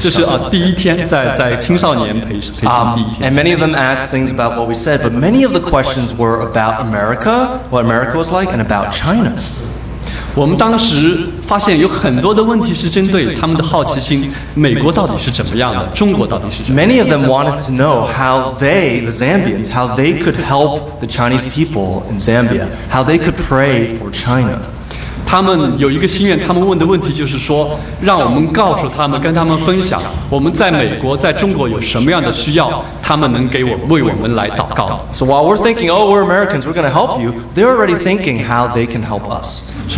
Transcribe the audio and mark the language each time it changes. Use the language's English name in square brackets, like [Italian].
[Chinese] 这是第一天在青少年培训营第一天。 [English] And many of them asked things about what we said, but many of the questions were about America, what America was like, and about China. [Chinese] 我们当时发现有很多的问题是针对他们的好奇心，美国到底是怎么样的，中国到底是怎么样的。 [English] Many of them wanted to know how they, the Zambians, how they could help the Chinese people in Zambia, how they could pray for China. [Chinese] 他们有一个心愿，他们问的问题就是说，让我们告诉他们，跟他们分享，我们在美国，在中国有什么样的需要，他们能给我为我们来祷告。 [English] So while we're thinking, oh, we're Americans, we're going to help you, they're already thinking how they can help us.